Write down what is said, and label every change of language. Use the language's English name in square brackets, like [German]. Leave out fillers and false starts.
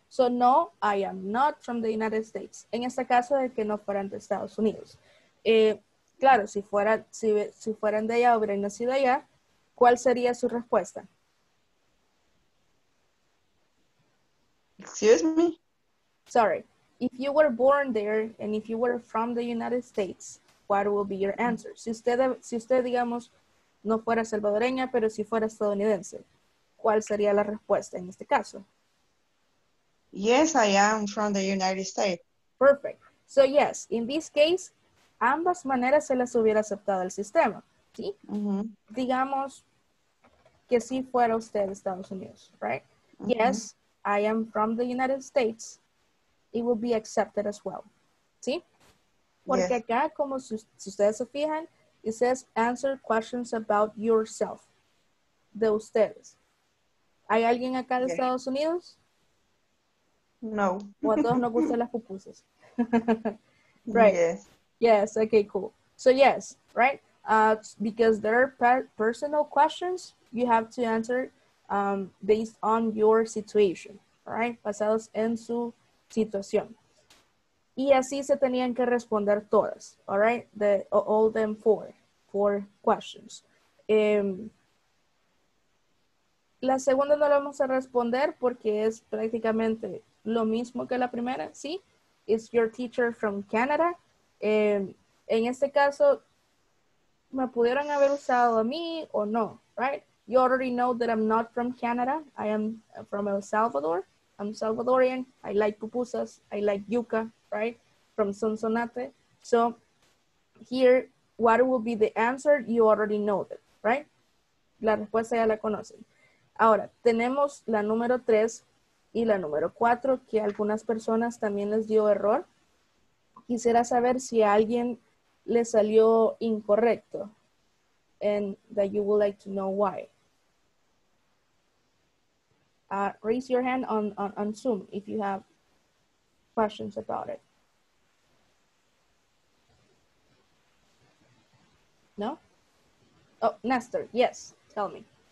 [English] So, no, I am not from the United States. [Spanish] En este caso, de que no fueran de Estados Unidos. Claro, si fueran de allá, hubieran nacido allá, ¿cuál sería su respuesta? [English] Excuse me? Sorry. If you were born there and if you were from the United States, what will be your answer? [Spanish] Si usted, digamos, no fuera salvadoreña, pero si fuera estadounidense, ¿cuál sería la respuesta en este caso? [English] Yes, I am from the United States. Perfect. So, yes, in this case, [Spanish] ambas maneras se las hubiera aceptado el sistema, ¿sí? Mm-hmm. Digamos que si fuera usted de Estados Unidos, right? Mm-hmm. [English] Yes, I am from the United States. It will be accepted as well. ¿Sí? [Spanish] Porque yes. Acá, como si ustedes se fijan, [English] it says answer questions about yourself. [Spanish] De ustedes. ¿Hay alguien acá de Estados Unidos? No. ¿O a todos nos gustan las pupusas? Right. [English] Yes. Okay, cool. So, yes. Right? Because there are personal questions, you have to answer based on your situation. [Spanish] Right? Basados en su situación. Y así se tenían que responder todas, [English] all right? All them four questions. [Spanish] La segunda no la vamos a responder porque es prácticamente lo mismo que la primera, ¿sí? [English] Is your teacher from Canada? [Spanish] En este caso, ¿me pudieron haber usado a mí o no, right? [English] You already know that I'm not from Canada. I am from El Salvador. I'm Salvadorian, I like pupusas, I like yuca, right? From Sonsonate. So here, what will be the answer? You already know that, right? [Spanish] La respuesta ya la conocen. Ahora, tenemos la número 3 y la número 4, que algunas personas también les dio error. Quisiera saber si a alguien le salió incorrecto. [English] And that you would like to know why. Raise your hand on Zoom if you have questions about it. No? Oh, Nestor, yes, tell me.